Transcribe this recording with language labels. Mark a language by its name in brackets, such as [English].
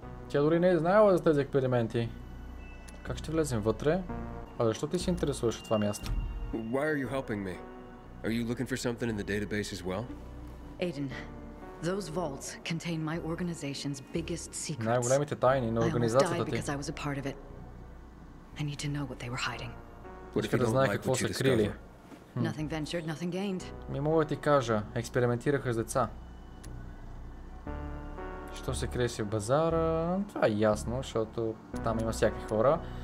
[Bulgarian] Тя дори не знаела за тези експерименти. Как ще влезем вътре? А защо ти се интересуваш от това място? [English] Why are you helping me? Are you looking for something in the database as well? Aiden, those vaults contain my organization's biggest secrets. [Bulgarian] Най-големите тайни на организацията ти. [English] I almost died because I was a part of it. I need to know what they were hiding. [Bulgarian] Иска да знае какво са крили. [English] Nothing ventured, nothing gained. [Bulgarian] Не мога да ти кажа, експериментираха с деца. Що се крие си в базара? Това е ясно, защото там има всякакви хора.